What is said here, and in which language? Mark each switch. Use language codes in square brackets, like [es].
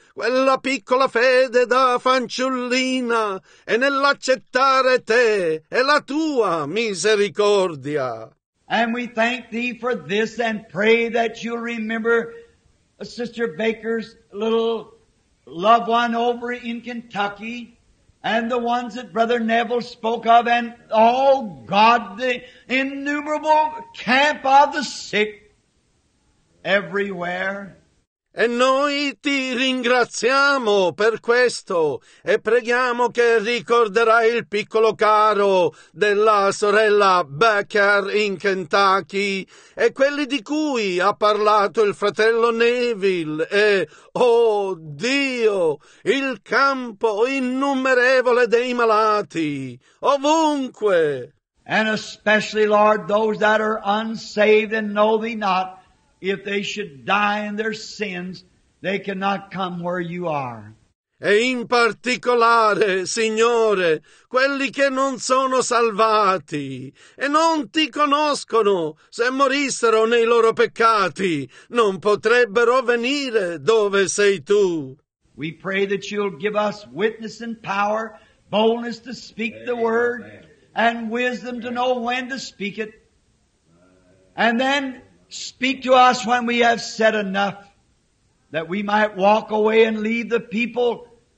[it] Quella piccola fede da fanciullina e nell'accettare te e la tua misericordia. [en] And we thank thee for this and pray that you'll remember Sister Baker's little loved one over in Kentucky and the ones that Brother Neville spoke of and, oh God, the innumerable camp of the sick everywhere. [it] E noi ti ringraziamo per questo e preghiamo che ricorderai il piccolo caro della sorella Becker in Kentucky e quelli di cui ha parlato il fratello Neville e, oh Dio, il campo innumerevole dei malati, ovunque. [en] And especially, Lord, those that are unsaved and know thee not. If they should die in their sins, they cannot come where you are. [it] E in particolare, Signore, quelli che non sono salvati e non ti conoscono, se morissero nei loro peccati, non potrebbero venire dove sei tu. [en] We pray that you'll give us witness and power, boldness to speak the word, and wisdom to know when to speak it. And then speak to us when we have said enough, that we might walk away and leave the people